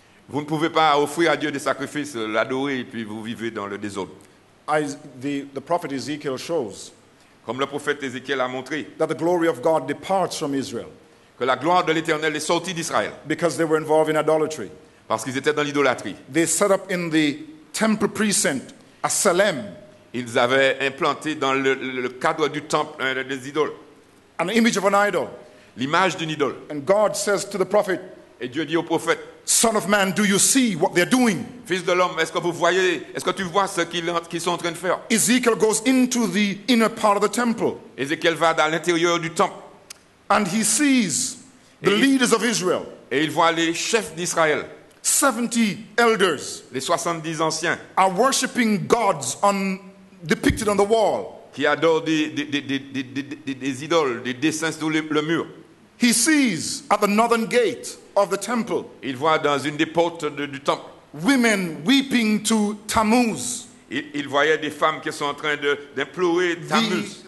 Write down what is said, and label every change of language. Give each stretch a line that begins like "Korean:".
French: Vous ne pouvez pas offrir à Dieu des sacrifices, l'adorer et puis vous vivez dans le désordre.
English: The prophet Ezekiel shows.
French: Comme le prophète Ézéchiel a montré.
English: That the glory of God departs from Israel.
French: Que la gloire de l'Éternel est sortie d'Israël.
English: Because they were involved in idolatry.
French: Parce qu'ils étaient dans l'idolâtrie.
English: They set up in the temple precinct à Salem.
French: Ils avaient implanté dans le cadre du temple des idoles.
English: An image of an idol.
French: L'image d'une idole.
English: And God says to the prophet.
French: Et Dieu dit au prophète.
English: Son of man, do you see what they're doing?
French: Fils de l'homme, est-ce que vous voyez? Est-ce que tu vois ce qu'ils sont en train de faire?
English: Ezekiel goes into the inner part of the temple.
French: Ézéchiel va dans l'intérieur du temple.
English: And he sees the leaders of Israel.
French: Et il voit les chefs d'Israël.
English: 70 elders.
French: Les 70 anciens.
English: Are worshiping gods on depicted on the wall.
French: Qui adore des idoles, des dessins sur le mur.
English: He sees at the northern gate of the temple.
French: Il voit dans une des portes du temple.
English: Women weeping to Tammuz.
French: Il voyait des femmes qui sont en train d'implorer Tammuz.